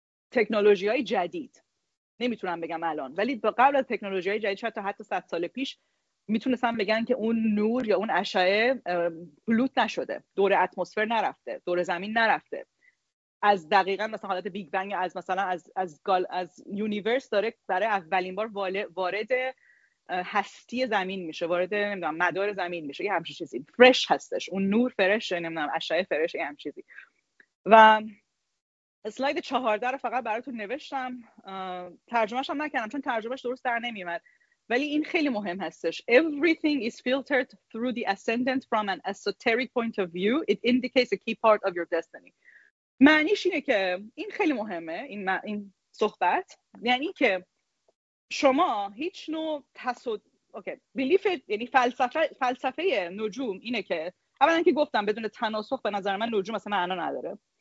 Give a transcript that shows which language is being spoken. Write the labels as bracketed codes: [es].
[fa] تکنولوژی های جدید، نمیتونم بگم الان، ولی تا قبل از تکنولوژی های جدید شاید تا حتی 100 سال پیش میتونستم بگن که اون نور یا اون اشعه پلوت نشده، دور اتمسفر نرفته، دور زمین نرفته، از دقیقا مثلا حالت بیگ بنگ، از مثلا از یونیورس داره برای اولین بار وارد هستی زمین میشه، وارد نمیدونم مدار زمین میشه، یه همچین چیزی فرش هستش، اون نور فرش، نمیدونم اشعه فرش، یه همچین چیزی. و اسلاید 14 رو فقط براتون نوشتم، ترجمهش هم نکردم چون ترجمهش درست در نمیومد، ولی این خیلی مهم هستش. [en] Everything is filtered through the ascendant from an esoteric point of view. It indicates a key part of your destiny. [fa] معنیش اینه که این خیلی مهمه، این صحبت. یعنی که شما هیچ نوع بیلیف، یعنی فلسفه نجوم اینه که اولا که گفتم بدون تناسخ به نظر من نجوم اصلا معنا نداره.